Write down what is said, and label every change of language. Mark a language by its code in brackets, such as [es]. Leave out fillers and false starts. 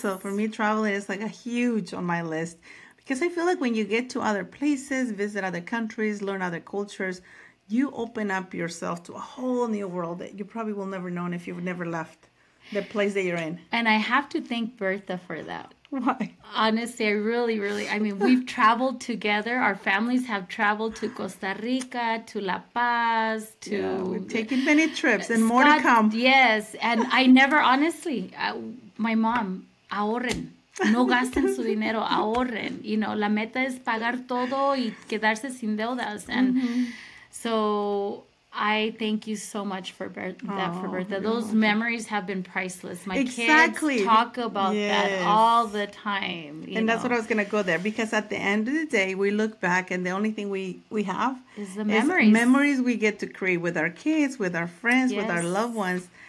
[en] So for me, traveling is like a huge on my list. Because I feel like when you get to other places, visit other countries, learn other cultures, you open up yourself to a whole new world that you probably will never know if you've never left the place that you're in. And I have to thank Bertha for that. Why? Honestly, I really, really, I mean, we've traveled together. Our families have traveled to Costa Rica, to La Paz, to... Yeah, we've taken many trips and more to come. Yes. And I never, honestly, my mom, ahorren. [es] No gasten su dinero, ahorren. You know, la meta es pagar todo y quedarse sin deudas. And so [en] I thank you so much for Bertha. Those memories have been priceless. My kids talk about that all the time. And that's what I was going to go there. Because at the end of the day, we look back and the only thing we have is the memories. Memories we get to create with our kids, with our friends, with our loved ones.